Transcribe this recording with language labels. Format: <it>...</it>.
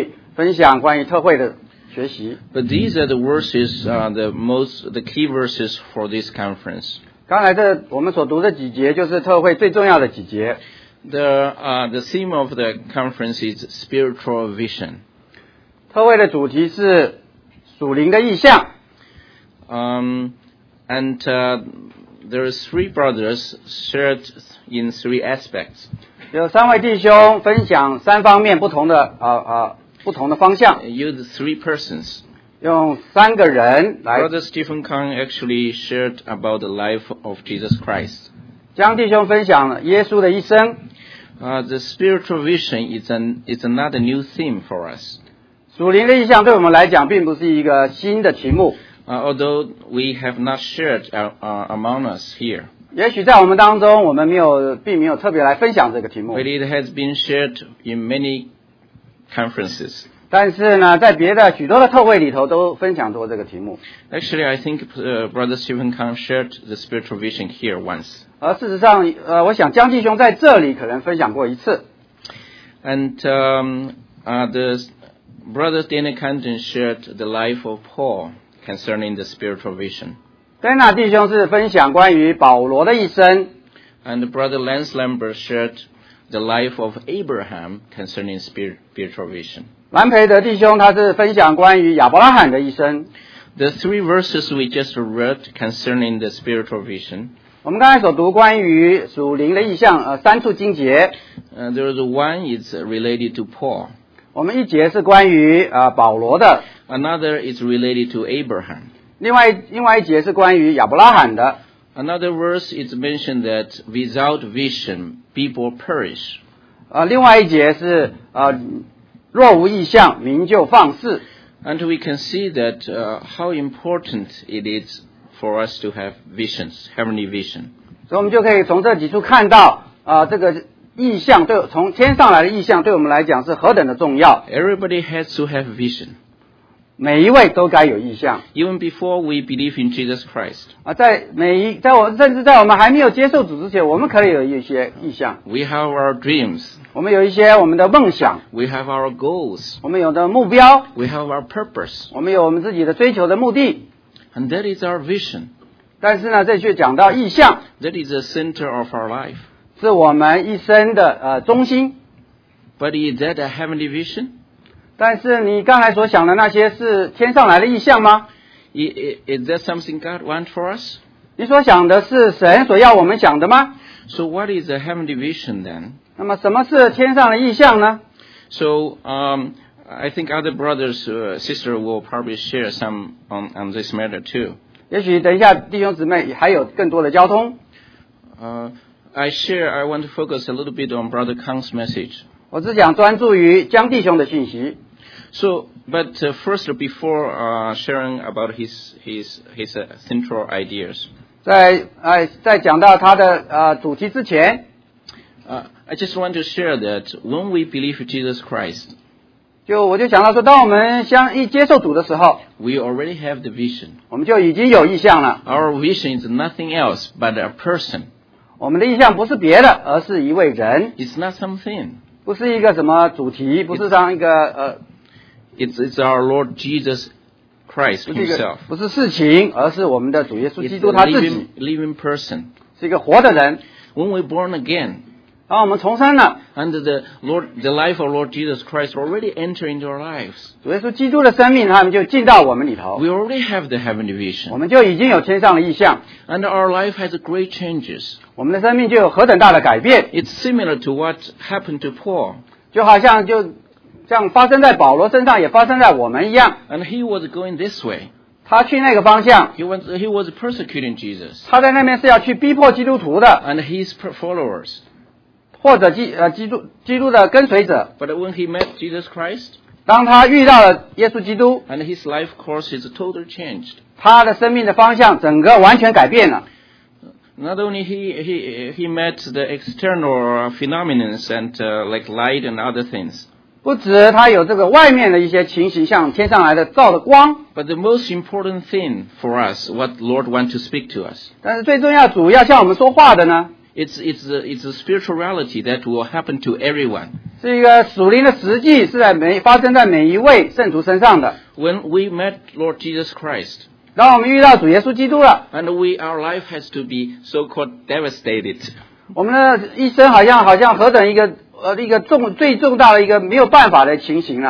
<zh>我想等一下可能还有别的弟兄姊妹会分享关于特会的学习。</zh> <en>But these are the verses, the key verses for this conference.</en> <zh>刚才这我们所读的几节就是特会最重要的几节。</zh> <en>The theme of the conference is spiritual vision.</en> <zh>特会的主题是属灵的意象。</zh> <en>There are three brothers shared in three aspects.</en> <zh>有三位弟兄分享三方面不同的, 不同的方向。</zh> <en>Used three persons.</en> <zh>用三个人来,</zh> <en>Brother Stephen Kang actually shared about the life of Jesus Christ.</en> <zh>将弟兄分享耶稣的一生,</zh> <en>the spiritual vision is not a new theme for us.</en> <zh>属灵的意象对我们来讲并不是一个新的题目,</zh> <en>although we have not shared among us here.</en> <zh>也许在我们当中, 我们没有, 并没有特别来分享这个题目,</zh> <en>but it has been shared in many conferences.</en> <zh>但是呢,在别的许多的特会里头都分享过这个题目。</zh> <en>Actually, I think Brother Stephen Kang shared the spiritual vision here once.</en> <zh>而事实上, 我想江继兄在这里可能分享过一次。</zh> <en>And the Brother Dana Canton shared the life of Paul concerning the spiritual vision.</en> <zh>Dana弟兄是分享关于保罗的一生。</zh> <en>And Brother Lance Lambert shared the life of Abraham concerning spiritual vision.</en> <zh>蓝培德弟兄, 他是分享关于亚伯拉罕的一生。</zh> <en>The three verses we just read concerning the spiritual vision.</en> <zh>我们刚才所读关于属灵的意象, 三处经节。</zh> <en>There is one is related to Paul.</en> <zh>我们一节是关于, 保罗的。</zh> <en>Another is related to Abraham.</en> <zh>另外一节是关于亚伯拉罕的。</zh> <en>Another verse is mentioned that without vision, people perish.</en> <zh>另外一节是, 若无异象, 民就放肆。</zh> <en>And we can see that how important it is for us to have visions, heavenly vision.</en> <zh>所以我们就可以从这几处看到, 这个异象对, 从天上来的异象, 对我们来讲是何等的重要。</zh> <en>Everybody has to have vision.</en> <zh>每一位都该有异象。</zh> <en>Even before we believe in Jesus Christ.</en> <zh>甚至在我们还没有接受主之前, 我们可以有一些异象。</zh> <en>We have our dreams.</en> <zh>我们有一些我们的梦想。</zh> <en>We have our goals.</en> <zh>我们有的目标。</zh> <en>We have our purpose.</en> <zh>我们有我们自己的追求的目的。</zh> <en>And that is our vision.</en> <zh>但是呢, 这却讲到异象。</zh> <en>That is the center of our life.</en> <zh>是我们一生的, 中心。</zh> <en>But is that a heavenly vision?</en> <zh>但是你刚才所想的那些是天上来的意象吗?</zh> <en>Is that something God wants for us?</en> <zh>你所想的是神所要我们想的吗?</zh> <en>So what is a heavenly vision then?</en> <zh>那么什么是天上的意象呢?</zh> <en>So I think other brothers or sisters will probably share some on this matter too.</en> <zh>也许等一下弟兄姊妹还有更多的交通。</zh> <en>I want to focus a little bit on Brother Kang's message.</en> <zh>我只想专注于江弟兄的讯息。</zh> <en>So, but first, before sharing about his central ideas,</en> <zh>在讲到他的, 主题之前,</zh> <en>I just want to share that when we believe in Jesus Christ,</en> <zh>就我就想到说, 当我们相一接受主的时候,</zh> <en>we already have the vision.</en> <zh>我们就已经有意向了。</zh> <en>Our vision is nothing else but a person.</en> <zh>我们的意向不是别的, 而是一位人。</zh> <en>It's not something.</en> <zh>不是一个什么主题, 不是当一个,</zh> <en>It's our Lord Jesus Christ himself.</en> <zh>不是事情, 而是我们的主耶稣基督他自己。</zh> <en>It's a living person.</en> <zh>是一个活的人。</zh> <en>When we're born again,</en> <zh>当我们重生了,</zh> <en>and the life of Lord Jesus Christ already enter into our lives.</en> <zh>主耶稣基督的生命, 他们就进到我们里头。</zh> <en>We already have the heavenly vision.</en> <zh>我们就已经有天上的意象。</zh> <en>And our life has great changes.</en> <zh>我们的生命就有何等大的改变。</zh> <en>It's similar to what happened to Paul.</en> <zh>就好像就, 像发生在保罗身上也发生在我们一样。</zh> <en>And he was going this way.</en> <zh>他去那个方向。</zh> <en>He was persecuting Jesus.</en> <zh>他在那边是要去逼迫基督徒的。</zh> <en>And his followers.</en> <zh>或者基督的跟随者。</zh> <en>But when he met Jesus Christ,</en> <zh>当他遇到了耶稣基督,</zh> <en>And his life course is totally changed.</en> <zh>他的生命的方向整个完全改变了。</zh> <en>Not only he met the external phenomena and like light and other things,</en> <zh>不止他有这个外面的一些情形, 像天上来的照的光,</zh> <en>But the most important thing for us, what Lord wants to speak to us,</en> <zh>但是最重要主要向我们说话的呢,</zh> <en>it's a spiritual reality that will happen to everyone.</en> <zh>是一个属灵的实际, 是在发生在每一位圣徒身上的。</zh> <en>When we met Lord Jesus Christ,</en> <zh>当我们遇到主耶稣基督了,</zh> <en>and our life has to be so-called devastated,</en> <zh>我们的一生好像何等一个, 一个重最重大的一个没有办法的情形了。</zh>